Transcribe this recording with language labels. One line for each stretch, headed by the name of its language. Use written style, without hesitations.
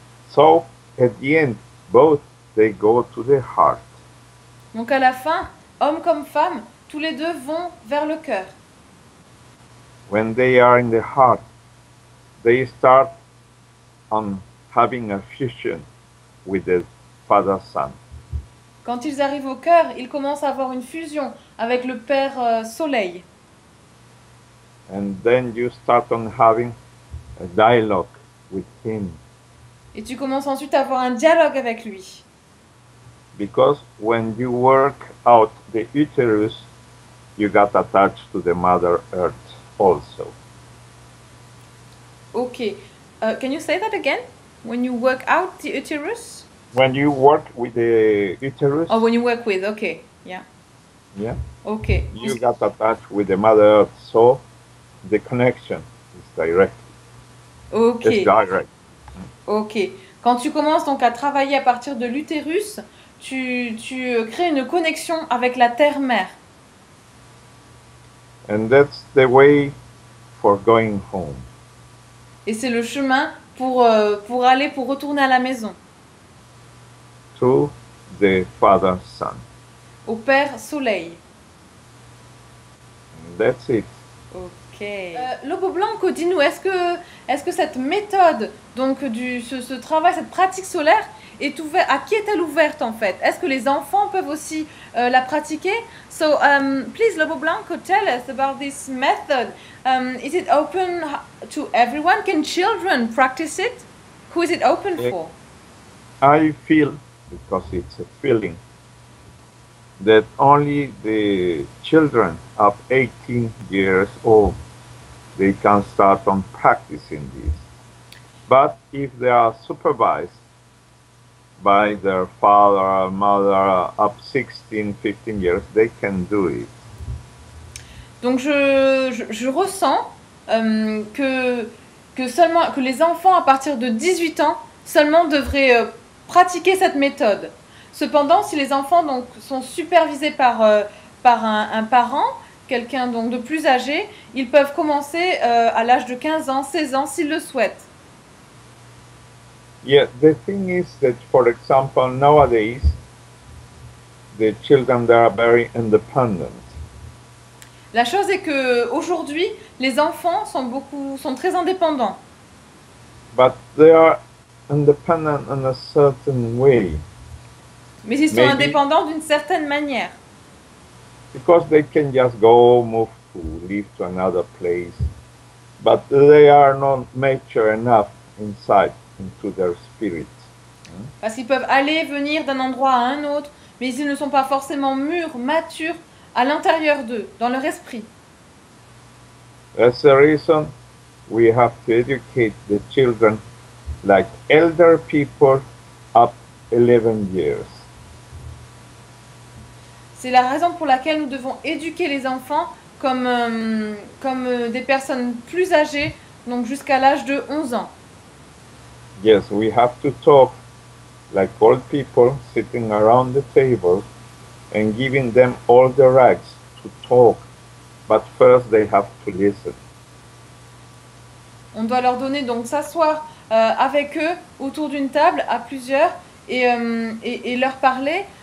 English: So, at the end, both they go to the heart.
French: Donc à la fin, homme comme femme, tous les deux vont vers le cœur.
English: When they are in the heart, they start on having a fusion with the Father Son.
French: Quand ils arrivent au cœur, ils commencent à avoir une fusion avec le Père Soleil.
English: And then you start on having a dialogue with him.
French: Et tu commences ensuite à avoir un dialogue avec lui.
English: Because when you work out the uterus, you got attached to the Mother Earth also. Okay. Can you say that again? When you work out the uterus? When you work with the uterus. Oh, when you work with, okay. Yeah. Yeah. Okay. You got attached with the Mother Earth, so the connection is direct. Okay. It's direct. Ok.
French: Quand tu commences donc à travailler à partir de l'utérus, tu crées une connexion avec la terre-mère.
English: And that's the way for going home.
French: Et c'est le chemin pour retourner à la maison.
English: To the Father Son.
French: Au Père Soleil.
English: That's it. Ok.
French: Lobo Blanco, dis-nous, est-ce que cette méthode, donc ce travail, cette pratique solaire, est ouverte, à qui est-elle ouverte en fait? Est-ce que les enfants peuvent aussi la pratiquer?
English: So, please, Lobo Blanco, tell us about this method. Is it open to everyone? Can children practice it? Who is it open for? I feel, because it's a feeling, that only the children up 18 years old, they can start on practicing this. But if they are supervised by their father or mother up 16, 15 years, they can do it.
French: Donc je ressens que seulement que les enfants à partir de 18 ans seulement devraient pratiquer cette méthode. Cependant, si les enfants donc sont supervisés par un parent, quelqu'un donc de plus âgé, ils peuvent commencer à l'âge de 15 ans, 16 ans s'ils le souhaitent.
English: Yeah, the thing is that for example nowadays the children they are very independent.
French: La chose est que aujourd'hui les enfants sont très indépendants.
English: But they are independent in a certain way.
French: Mais ils sont
English: Maybe.
French: Indépendants d'une certaine manière.
English: Because they can just go move to live to another place, but they are not mature enough inside into their spirit.
French: Parce qu'ils peuvent aller venir d'un endroit à un autre, mais ils ne sont pas forcément mûrs, matures à l'intérieur d'eux, dans leur esprit.
English: That's the reason we have to educate the children like elder people up 11 years.
French: C'est la raison pour laquelle nous devons éduquer les enfants comme des personnes plus âgées, donc jusqu'à l'âge de 11 ans.
English: Yes, we have to talk like old people sitting around the table and giving them all the rights to talk, but first they have to listen.
French: On doit leur donner donc s'asseoir avec eux autour d'une table à plusieurs et leur parler.